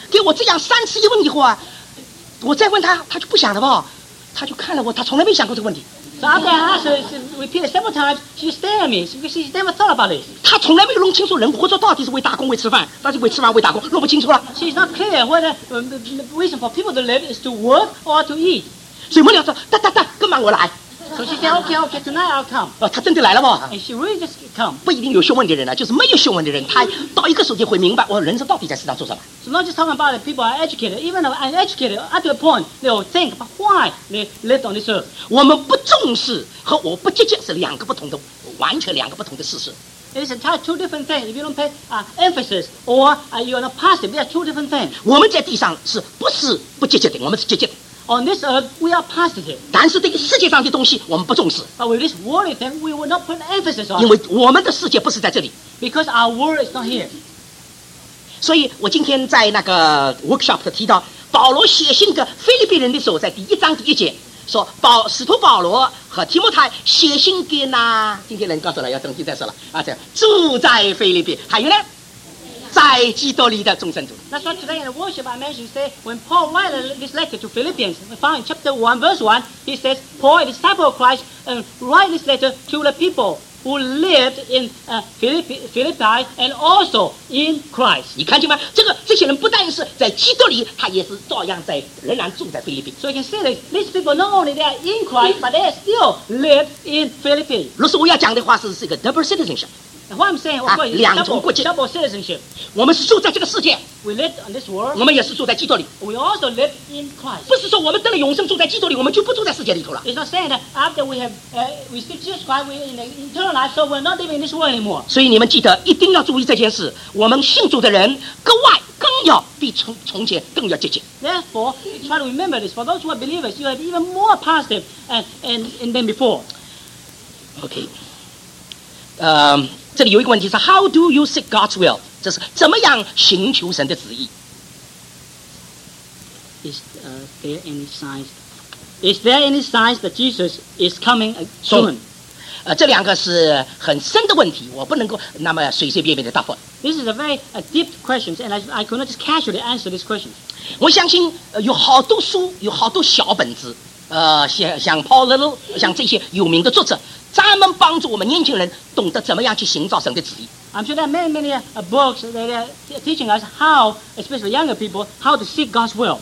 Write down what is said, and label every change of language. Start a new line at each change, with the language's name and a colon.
Chinese: 给我这样三次一问以后啊，我再问他，他就不想了吧？他就看了我，他从来没想过这个问题。
English: So after I asked her, repeated several times, she stared at me because she never thought about it.
Chinese: 她从来没弄清楚人活着到底是为打工为吃饭，到底为吃饭为打工，弄不清楚了。
English: She's not clear whether the reason for people to live is to work or to eat.
Chinese: 所以我俩说，哒，跟忙我来。
English: So she said, okay, tonight I'll come.
Chinese: 她真的来了吗
English: ？And she really just come.
Chinese: 不一定有学问的人呢，就是没有学问的人，他到一个时间会明白，我人生到底在世上做什么。
English: So not just talking about the people are educated, even though uneducated, up to a point, they will think about why they lived on this earth.
Chinese: 我们不重视和我不积极是两个不同的，完全两个不同的事实。
English: It's entirely two different things. If you don't pay emphasis or you are not positive, they are two different things.
Chinese: 我们在地上是不是不积极的？我们是积极的。
English: On this earth, we are positive.
Chinese: 但是这个世界上的东西我们不重视。
English: But with this worldly thing, we will not put emphasis on.
Chinese: 因为我们的世界不是在这里。
English: Because our world is not here.
Chinese: 所以我今天在那个 workshop 提到保罗写信给腓立比人的时候，在第一章第一节，说保使徒保罗和提摩太写信给那，今天人告诉了，要登记在手了啊，这样住在腓立比，还有呢，在基督里的众圣徒。
English: That's why today in the worship I mentioned, say when Paul wrote this letter to Philippians, found in chapter 1, verse 1, he says, Paul, a disciple of Christ, write this letter to the people who lived in Philippi and also in Christ.
Chinese: 你看见吗？这些人不但是在基督里，他也是照样在，仍然住在菲律宾。
English: So you can see that these people not only they are in Christ, but they still live in Philippines.
Chinese: 如果我要讲的话，是一个
English: double citizenship。 What I'm saying, of course,
Chinese: 两重国籍
English: double citizenship.
Chinese: 我们是住在这个世界
English: We live in this world.
Chinese: 我们也是住在基督里
English: We also live in Christ.
Chinese: 不是说我们得了永生住在基督里我们就不住在世界里头了
English: It's not saying that after we have received Jesus Christ we're in the eternal life so we're not living in this world anymore.
Chinese: 所以你们记得一定要注意这件事我们信主的人格外更要比从前更要积极
English: Therefore, try to remember this. For those who are believers, you are even more positive and than before. Okay.
Chinese: 这里有一个问题是
English: How do you seek God's will?
Chinese: 这是怎么样寻求神的旨意
English: Is there any signs that Jesus is coming soon?
Chinese: 这两个是很深的问题我不能够那么随随便便的答复
English: This is a very deep question and I could not just casually answer this question
Chinese: 我相信有好多书有好多小本子像 Paul Little 像这些有名的作者专门帮助我们年轻人懂得怎么样去寻找神的旨意
English: I'm sure there are many books that are teaching us how especially younger people how to seek God's will